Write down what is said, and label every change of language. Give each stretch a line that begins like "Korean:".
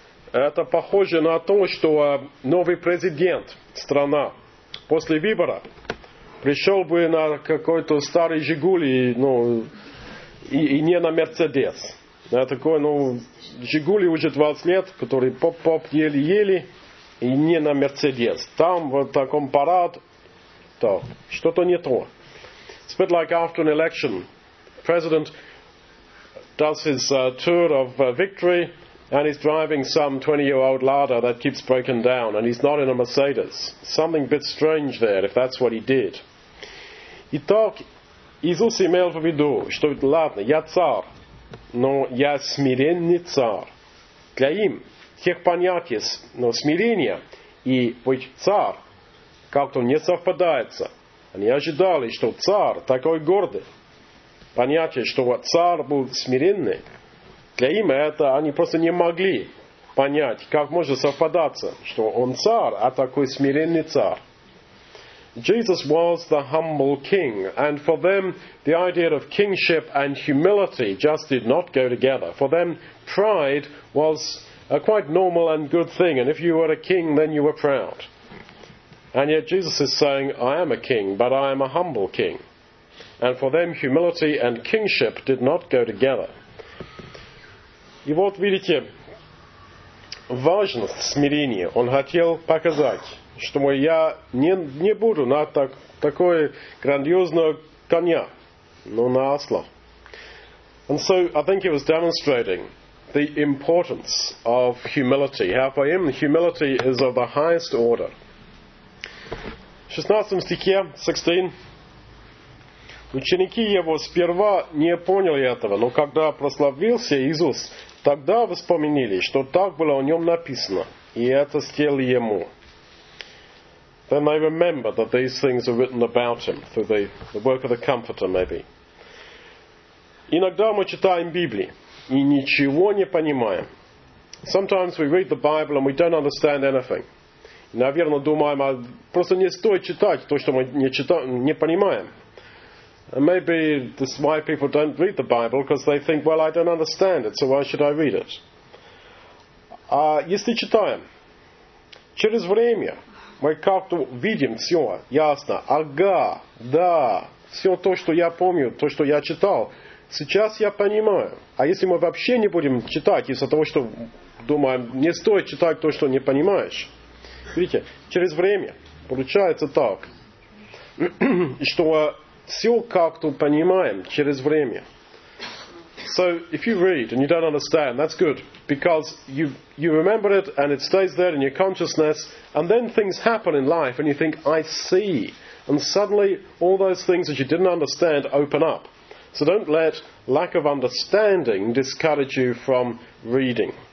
Russian: Это похоже на то, что новый президент страны после выбора пришел бы на какой-то старый Жигули, ну, и не на Мерседес. На такой, ну, Жигули уже 20 лет, который поп-поп еле-еле, и не на Мерседес. Там вот таком парад, то что-то не то.
English: It's a bit like after an election. The president does his tour of victory, and he's driving some 20-year-old Lada that keeps breaking down, and he's not in a Mercedes. Something a bit strange there, if that's what he did.
Russian: Итак, Иисус имел в виду, что, ладно, я царь, но я смиренный царь. Для им всех понятий, но смирение и быть царь как-то не совпадается. Они ожидали, что царь такой гордый. Понятие, что царь был смиренный, для им это они просто не могли понять, как может совпадаться, что он царь, а такой смиренный царь.
English: Jesus was the humble king, and for them the idea of kingship and humility just did not go together. For them pride was a quite normal and good thing, and if you were a king then you were proud. And yet Jesus is saying, I am a king, but I am a humble king. And for them humility and kingship did not go together.
Russian: И вот видите, важность смирения он хотел показать. Что я не буду на такой грандиозного коня, но на осла.
English: And so I think he was demonstrating the importance of humility. How for him humility is of the highest order.
Russian: 16 стихе, 16. Ученики его сперва не поняли этого, но когда прославился Иисус, тогда вспомнили, что так было о нем написано, и это сделали ему.
English: Then they remember that these things are written about him through the work of the Comforter, maybe.
Russian: Иногда мы читаем Библию и ничего не понимаем.
English: Sometimes we read the Bible and we don't understand anything.
Russian: Наверное, думаем, просто не стоит читать то, что мы не понимаем.
English: And maybe this is why people don't read the Bible, because they think, well, I don't understand it, so why should I read it?
Russian: Если читаем, через время мы как-то видим все ясно. Ага, да, все то, что я помню, то, что я читал, сейчас я понимаю. А если мы вообще не будем читать из-за того, что думаем, не стоит читать то, что не понимаешь. Видите, через время получается так, что все как-то понимаем через время.
English: So, if you read and you don't understand, that's good, because you remember it and it stays there in your consciousness, and then things happen in life and you think, I see. And suddenly, all those things that you didn't understand open up. So don't let lack of understanding discourage you from reading.